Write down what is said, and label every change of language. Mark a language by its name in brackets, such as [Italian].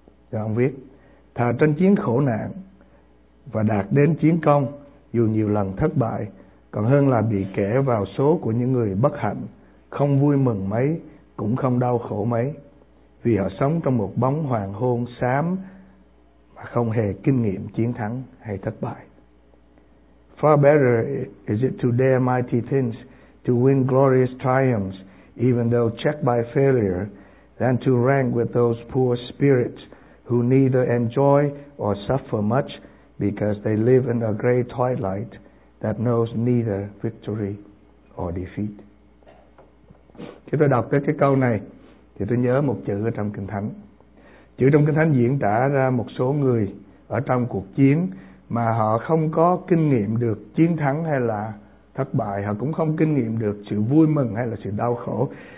[Vietnamese] Rồi ông viết, thà tranh chiến khổ nạn và đạt đến chiến công dù nhiều lần thất bại, còn hơn là bị kẻ vào số của những người bất hạnh, không vui mừng mấy, cũng không đau khổ mấy, vì họ sống trong một bóng hoàng hôn xám mà không hề kinh nghiệm chiến thắng hay thất bại. [English] Far better is it to dare mighty things to win glorious triumphs, even though checked by failure, than to rank with those poor spirits who neither enjoy or suffer much because they live in a gray twilight that knows neither victory or defeat. [Vietnamese] Khi tôi đọc tới cái câu này, thì tôi nhớ một chữ ở trong Kinh Thánh. Chữ trong Kinh Thánh diễn tả ra một số người ở trong cuộc chiến mà họ không có kinh nghiệm được chiến thắng hay là thất bại, họ cũng không kinh nghiệm được sự vui mừng hay là sự đau khổ.